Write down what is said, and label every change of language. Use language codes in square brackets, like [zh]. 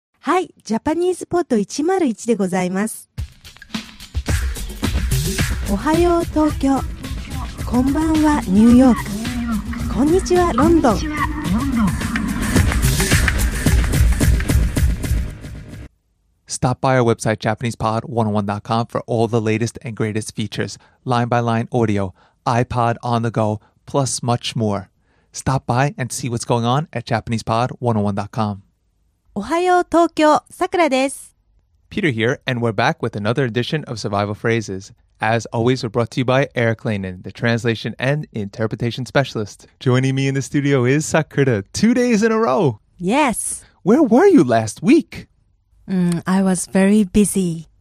[ja] はい、ジャパニーズポッド101でございます。おはよう東京、こんばんはニューヨーク、こんにちはロンドン。 [en] Stop by our website JapanesePod101.com for all the latest and greatest features, line-by-line audio, iPod on the go, plus much more. Stop by and see what's going on at JapanesePod101.com. [ja] おはよう東京、さくらです。 [en] Peter here, and we're back with another edition of Survival Phrases. As always, we're brought to you by Eric Lainen, the translation and interpretation specialist. Joining me in the studio is Sakura, 2 days in a row. Yes. Where were you last week? I was very busy.